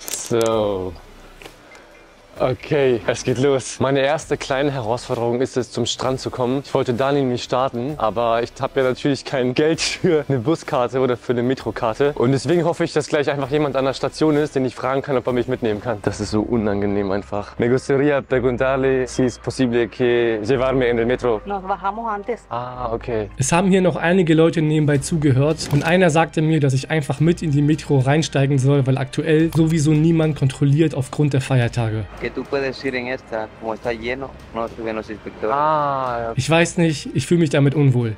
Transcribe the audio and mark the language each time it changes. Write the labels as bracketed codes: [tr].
[de] So. Okay, es geht los. Meine erste kleine Herausforderung ist es, zum Strand zu kommen. Ich wollte da nämlich starten, aber ich habe ja natürlich kein Geld für eine Buskarte oder für eine Metrokarte. Und deswegen hoffe ich, dass gleich einfach jemand an der Station ist, den ich fragen kann, ob er mich mitnehmen kann. Das ist so unangenehm einfach. [es] Me gustaría preguntarle si es posible que llevarme en el metro. Nos bajamos antes. Ah, okay. [de] Es haben hier noch einige Leute nebenbei zugehört und einer sagte mir, dass ich einfach mit in die Metro reinsteigen soll, weil aktuell sowieso niemand kontrolliert aufgrund der Feiertage. Ich weiß nicht, ich fühle mich damit unwohl.